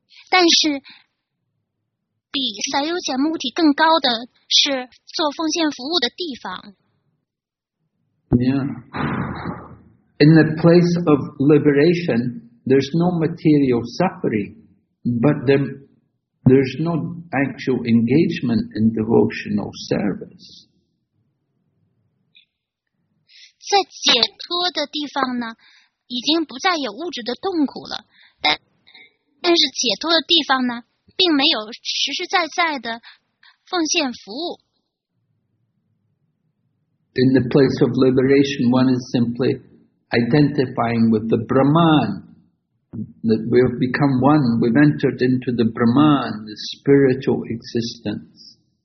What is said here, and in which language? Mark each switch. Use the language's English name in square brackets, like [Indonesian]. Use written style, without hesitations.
[Chinese] 但是比塞优杰目的更高的是做奉献服务的地方。 [English] Yeah. In the place of liberation, there's no material suffering, but there's no actual engagement in devotional service. [Chinese] 在解脱的地方呢，已经不再有物质的痛苦了，但是解脱的地方呢并没有实实在在的奉献服务。 [English] In the place of liberation, one is simply identifying with the Brahman, that we have become one, we've entered into the Brahman, the spiritual existence.